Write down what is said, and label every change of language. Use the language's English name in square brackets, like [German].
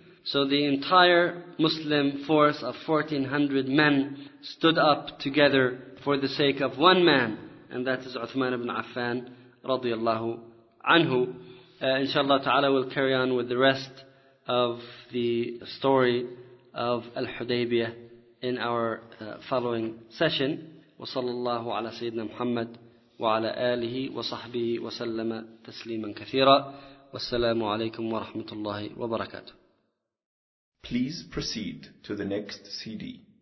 [English] So the entire Muslim force of 1400 men stood up together for the sake of one man, and that is Uthman ibn Affan radiyallahu anhu. Inshallah ta'ala we'll carry on with the rest of the story of Al-Hudaybiyah in our following session. [Arabic] وصلى الله على سيدنا محمد وعلى آله وصحبه وسلم تسليما كثيرا والسلام عليكم ورحمة الله وبركاته. [English] Please proceed to the next CD.